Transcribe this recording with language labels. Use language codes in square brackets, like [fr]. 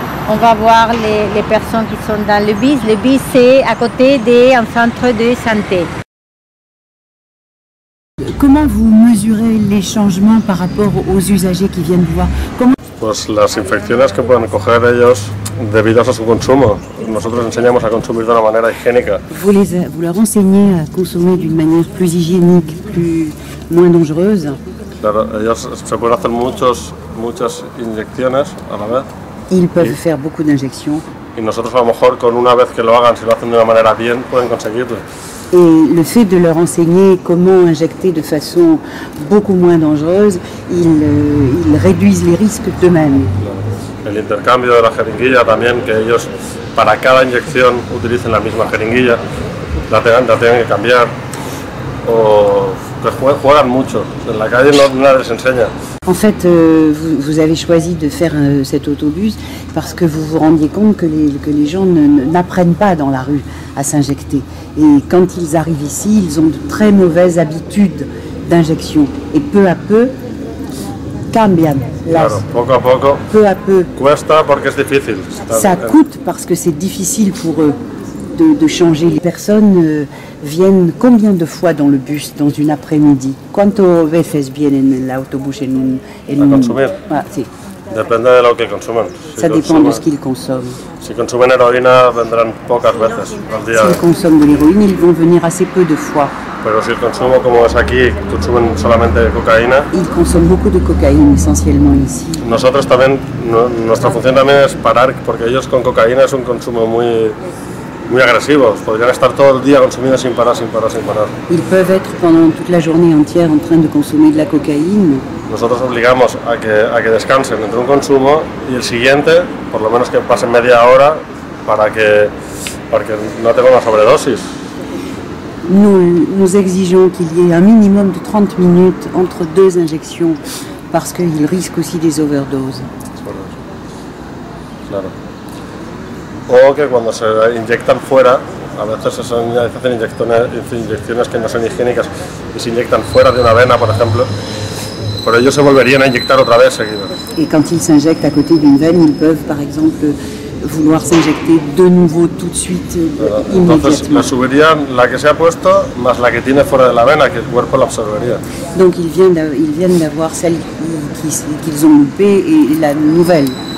[fr] On va voir les personnes qui sont dans le bus. Le bus, c'est à côté d'un centre de santé. Comment vous mesurez les changements par rapport aux usagers qui viennent voir? [es] Pues las infecciones que pueden coger ellos debido a su consumo. Nosotros enseñamos a consumir de una manera higiénica. [fr] Vous leur enseignez à consommer d'une manière plus hygiénique, plus moins dangereuse. [es] Claro, ellos se pueden hacer muchas inyecciones a la vez. [fr] Ils peuvent faire beaucoup d'injections. [es] Y nosotros a lo mejor con una vez que lo hagan, si lo hacen de una manera bien, pueden conseguirlo. [fr] Et le fait de leur enseigner comment injecter de façon beaucoup moins dangereuse, ils réduisent les risques d'eux-mêmes. [es] El intercambio de la jeringuilla también, que ellos para cada inyección utilicen la misma jeringuilla, la tienen que cambiar, o que juegan mucho, en la calle no les enseña. [fr] En fait, vous avez choisi de faire cet autobus parce que vous vous rendiez compte que les gens n'apprennent pas dans la rue à s'injecter. Et quand ils arrivent ici, ils ont de très mauvaises habitudes d'injection. Et peu à peu, [es] cambian. Claro, poco a poco. [fr] Peu à peu. [es] Cuesta porque es difícil. [fr] Ça coûte parce que c'est difficile pour eux de changer. Les personnes viennent combien de fois dans le bus, dans une après-midi? [es] ¿Cuánto veces vienen en el autobús en un... Para consumir. Ah, sí. Depende de lo que consumen. [fr] Ça dépend de ce qu'ils consomment. [es] Si consumen heroína, vendrán pocas veces al día. [fr] Si consomment de l'héroïne, ils vont venir assez peu de fois. [es] Pero si el consumo, como es aquí, consumen solamente cocaína. [fr] Ils consomment beaucoup de cocaína, essentiellement ici. [es] Nosotros también, nuestra función también es parar, porque ellos con cocaína es un consumo muy... muy agresivos, podrían estar todo el día consumiendo sin parar. [fr] Ils peuvent être pendant toute la journée entière en train de consommer de la cocaïne. [es] Nosotros obligamos a que descansen entre un consumo y el siguiente, por lo menos que pasen media hora para que no tengan una sobredosis. [fr] Nous exigeons qu'il y ait un minimum de 30 minutes entre deux injections parce qu'ils risquent aussi des overdoses. [es] Claro. O que cuando se inyectan fuera, a veces se hacen inyecciones que no son higiénicas y se inyectan fuera de una vena, por ejemplo, pero ellos se volverían a inyectar otra vez seguido. Y cuando [fr] ils s'injectent à côté d'une veine, ils peuvent, par exemple, vouloir s'injecter de nouveau tout de suite, [es] entonces, le subirían la que se ha puesto más la que tiene fuera de la vena, que el cuerpo la absorbería. [fr] Donc ils viennent d'avoir celle qu'ils ont loupée et la nouvelle.